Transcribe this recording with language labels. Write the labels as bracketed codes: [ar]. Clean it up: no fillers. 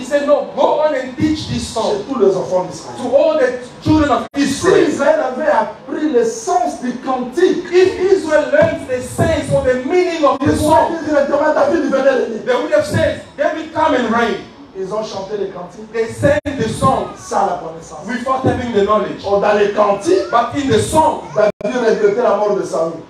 [en] He said, no, go on and teach this song. [fr] Chez tous les enfants d'Israël. [en] To all the children of Israel. [fr] Si Israël avait appris le sens du cantique. [en] If Israel learned the sense or the meaning of the song. [fr] Ils auraient dit, David, il venait l'aider. [en] They would have said, David, come and reign. [fr] Ils ont chanté le cantique. [en] They sang the song. [fr] Ça, la connaissance. [en] Without having the knowledge. [fr] Or dans le cantique. [en] But in the song. [fr] David regrettait la mort de Saül.